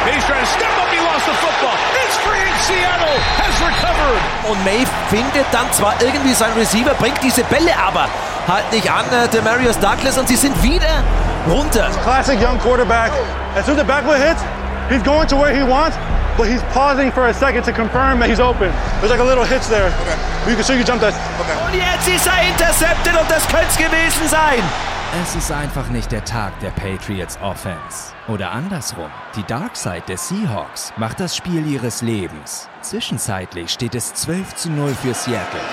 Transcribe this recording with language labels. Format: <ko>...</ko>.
<en>He's trying to step up, he lost the football. Seattle has recovered.</en> <de>Und May findet dann zwar irgendwie seinen Receiver, bringt diese Bälle aber halt nicht an, Demaryius Douglas, und sie sind wieder runter.</de> <en>Classic young quarterback. As soon as the backflip hits, he's going to where he wants, but he's pausing for a second to confirm that he's open. There's like a little hitch there. Okay. So you jump that. Okay.</en> <de>Und jetzt ist intercepted und das könnte es gewesen sein. Es ist einfach nicht der Tag der Patriots Offense. Oder andersrum, die Dark Side der Seahawks macht das Spiel ihres Lebens. Zwischenzeitlich steht es 12-0 für Seattle.</de>